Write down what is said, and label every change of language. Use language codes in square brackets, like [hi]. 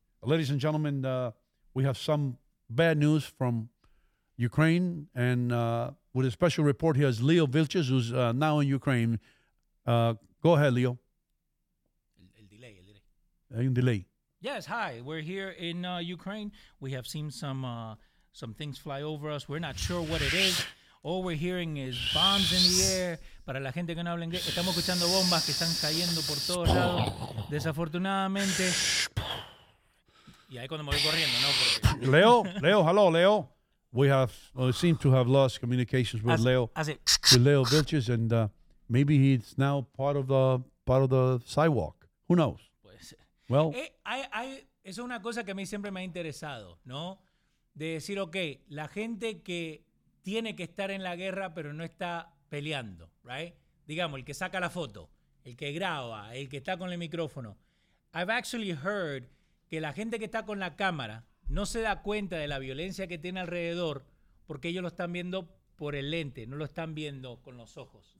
[en] Ladies and gentlemen, we have some bad news from Ukraine, and with a special report here is Leo Vilches, who's now in Ukraine. Go ahead, Leo. [es] El delay. Hay un delay. [en] Yes, hi. We're here in Ukraine. We have seen some things fly over us. We're not sure what it is. All we're hearing is bombs in the air. [es] Para la gente que no habla inglés, estamos escuchando bombas que están cayendo por todos lados. Desafortunadamente. Y ahí cuando me voy corriendo, ¿no? Porque... [en] Leo, hello, Leo. We seem to have lost communications with Leo. With Leo Vilches, and maybe he's now part of the sidewalk. Who knows? Well, [es] es una cosa que a mí siempre me ha interesado, ¿no? De decir, ok, la gente que tiene que estar en la guerra, pero no está peleando, right? Digamos, el que saca la foto, el que graba, el que está con el micrófono. [en] I've actually heard [es] que la gente que está con la cámara no se da cuenta de la violencia que tiene alrededor porque ellos lo están viendo por el lente, no lo están viendo con los ojos.